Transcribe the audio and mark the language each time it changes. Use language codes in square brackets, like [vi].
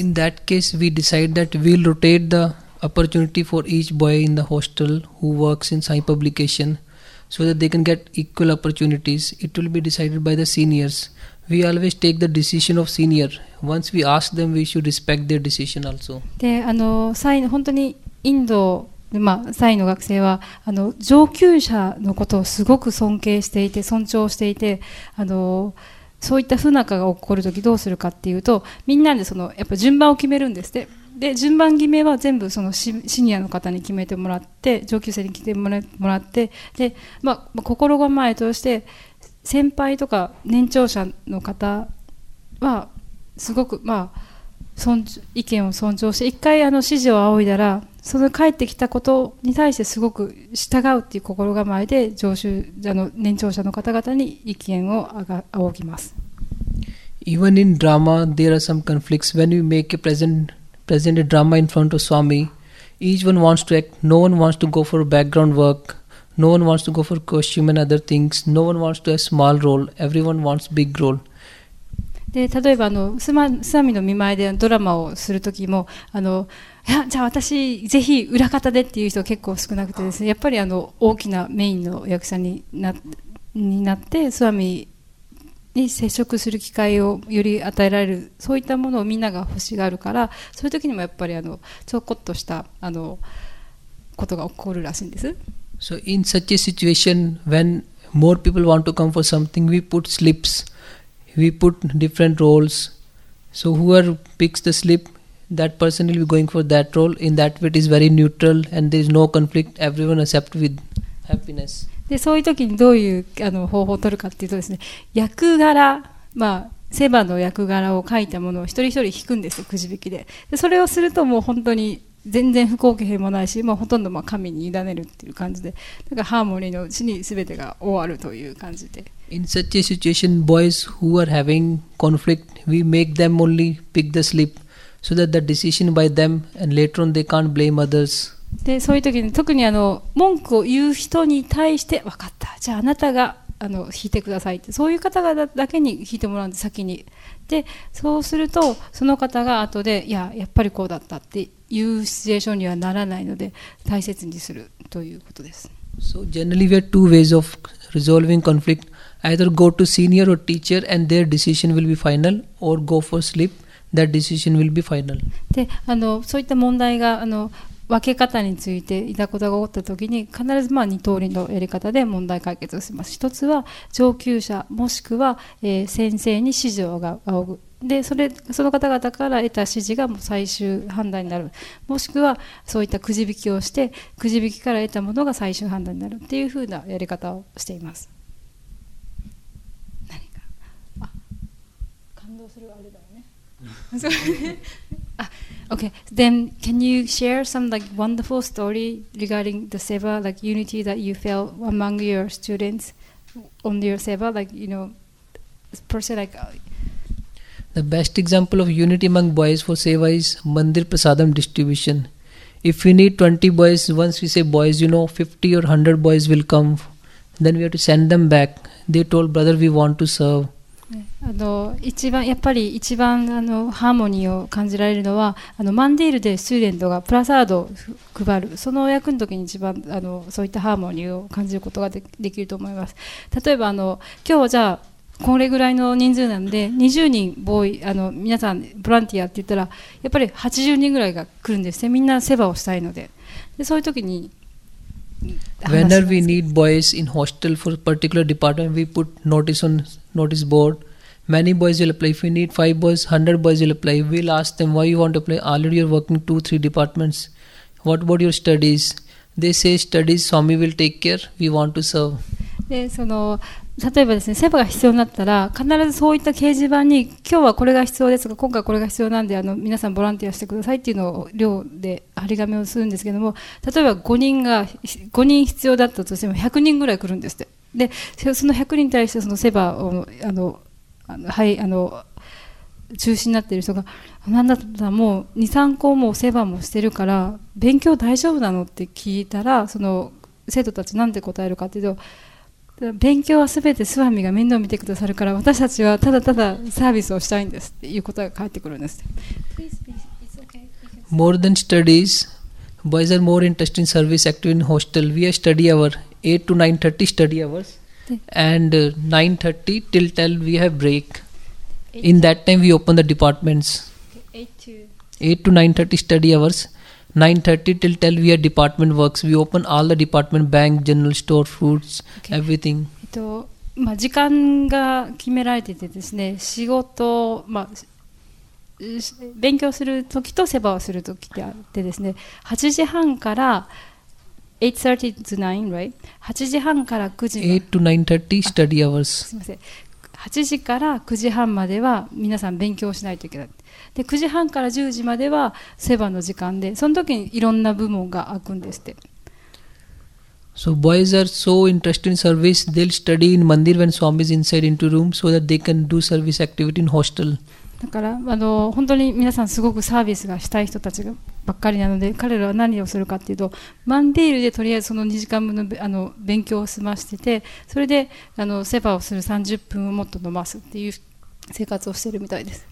[en] In that case, we decide that we'll rotate the opportunity for each boy in the hostel who works in Sai publication so that they can get equal opportunities. It will be decided by the seniors. We always take the decision of senior. Once we ask them, we should respect their decision also. [ja] で、本当にインドで、サイの学生は上級者のことをすごく尊敬していて、尊重していて、そういった不仲が起こるときどうするかっていうと、みんなでやっぱ順番を決めるんですって。で、順番決めは全部シニアの方に決めてもらって、上級生に来てもらって、で、心構えとして、先輩とか年長者の方はすごく、意見を尊重して、一回指示を仰いだら、その返ってきたことに対してすごく従うっていう心構えで、年長者の方々に意見を仰ぎます。 [en] Even in drama, there are some conflicts. When you make a present a drama in front of Swami, each one wants to act. No one wants to go for background work. No one wants to go for costume and other things. No one wants to have small role. Everyone wants big role. [ja] で、例えばスワミの見舞いでドラマをするときも、いや、じゃあ私ぜひ裏方でっていう人結構少なくてですね、やっぱり大きなメインの役者になってスワミに接触する機会をより与えられる、そういったものをみんなが欲しがるから、そういうときにもやっぱりちょこっとしたことが起こるらしいんです。 [en] So in such a situation, when more people want to come for something, we put slips, we put different roles. So whoever picks the slip, that person will be going for that role. In that way, it is very neutral and there is no conflict. Everyone accept with happiness. [ja] で、そういう時にどういう方法を取るかっていうとですね、役柄、セバの役柄を書いたものを一人一人引くんですよ、くじ引きで。でそれをするともう本当に全然不公平もないし、もうほとんどまあ神に委ねるっていう感じで、なんかハーモニーのうちに全てが終わるという感じで。 [en] In such a situation, boys who are having conflict, we make them only pick the slip so that the decision by them and later on they can't blame others. [ja] で、そういう時に特にあの文句を言う人に対して、わかった、じゃああなたがあの引いてくださいって、そういう方がだけに引いてもらうんで、先に。で、そうするとその方が後で、いや、やっぱりこうだったっていうシチュエーションにはならないので、大切にするということです。 [en] So generally we have two ways of resolving conflict. Either go to senior or teacher and their decision will be final or go for sleep, that decision will be final. [ja] で、あの、そういった問題が、あの、分け方についていたことが起こったときに必ず、まあ、二通りのやり方で問題解決をします。一つは上級者もしくは、先生に指示を仰ぐ。で、それ、その方々から得た指示がもう最終判断になる。もしくはそういったくじ引きをしてくじ引きから得たものが最終判断になるっていうふうなやり方をしています。 [en] Ah, okay, then can you share some like wonderful story regarding the seva, like unity that you felt among your students on your seva, like, you know, person like... The best example of unity among boys for seva is Mandir Prasadam distribution. If we need 20 boys, once we say boys, you know, 50 or 100 boys will come, then we have to send them back. They told brother, we want to serve. [ja] あの一番やっぱり一番あのハーモニーを感じられるのはあのマンディールでスチューデントがプラサードを配るその役の時に一番あのそういったハーモニーを感じることが できると思います。例えばあの今日はじゃあこれぐらいの人数なんで20人ボーイあの皆さんボランティアって言ったらやっぱり80人ぐらいが来るんですね。みんな世話をしたいの でそういう時に [en] Whenever we need boys in hostel for a particular department, we put notice on notice board. Many boys will apply. If we need 5 boys, 100 boys will apply. We'll ask them, why you want to apply? Already you're working 2-3 departments. What about your studies? They say studies, Swami will take care. We want to serve. [ja] でその例えばですね、セバが必要になったら必ずそういった掲示板に今日はこれが必要ですが今回これが必要なんであの皆さんボランティアしてくださいっていうのを寮で張り紙をするんですけども、例えば5人必要だったとしても100人ぐらい来るんですって。でその100人に対してそのセバをはい、中心になっている人が何だったらもう 2-3 校もセバもしてるから勉強大丈夫なのって聞いたら、その生徒たちなんて答えるかっていうと、勉強はすべてスワミが面倒を見てくださるから私たちはただただサービスをしたいんですっていうことが返ってくるんです。 [en] More than studies, boys are more interested in service active in hostel. We are study hour 8 to 9:30 study hours and 9:30 till 10 we have break. In that time we open the departments. 8 to 9:30 study hours. 9:30 till 10 we are department works. We open all the department, bank, general store, foods, okay. Everything. [ja] まあ、時間が決められててですね、仕事、まあ、勉強するときと世話をするときであってですね、8時半から [en] 8:30 to 9, right? [ja] 8時半から9時まで。 [en] 8 to 9:30 study hours. [ja] すみません。 8時から9時半までは皆さん勉強しないといけない。で9時半から10時まではセバの時間で、その時にいろんな部門が開くんですって。 [en] So boys are so interested in service, they'll study in Mandir when Swami is inside into room so that they can do service activity in hostel. [ja] だから本当に皆さんすごくサービスがしたい人たちばっかりなので、彼らは何をするかっていうと、マンディールでとりあえずその2時間分 の勉強を済ませてて、それでセバをする30分をもっと伸ばすっていう生活をしているみたいです。